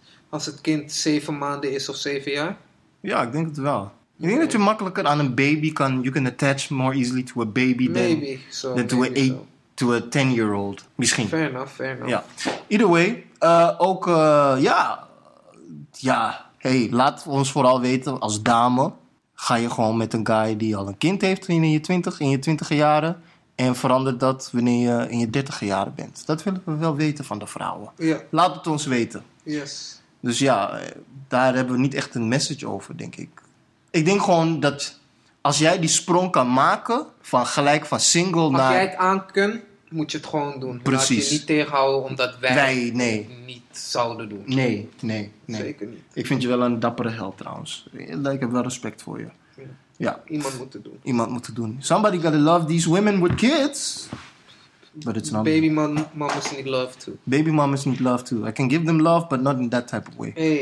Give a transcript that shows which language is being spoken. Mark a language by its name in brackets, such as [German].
[Dutch] Als het kind 7 maanden is of 7 jaar? Ja, ik denk het wel. Ik denk dat je makkelijker aan een baby kan... [English] You can attach more easily to a baby than to a 10-year-old. [Dutch] Misschien. [English] Fair enough. [Dutch] Ja. [English] Either way, [Dutch] ook... ja. Ja. Hey, laat ons vooral weten, als dame... Ga je gewoon met een guy die al een kind heeft in je twintiger jaren... En verander dat wanneer je in je dertiger jaren bent. Dat willen we wel weten van de vrouwen. [English] Yeah. [Dutch] Laat het ons weten. [English] Yes. [Dutch] Dus ja, daar hebben we niet echt een message over, denk ik. Ik denk gewoon dat als jij die sprong kan maken van gelijk van single als naar... Als jij het aan kunt, moet je het gewoon doen. Precies. Laat je niet tegenhouden omdat wij niet zouden doen. Nee. Zeker niet. Ik vind je wel een dappere held trouwens. Ik heb wel respect voor je. Ja. Ja. Iemand moet het doen. [English] Somebody gotta love these women with kids. But it's not... Baby mamas need love too. Baby mamas need love too. I can give them love, but not in that type of way.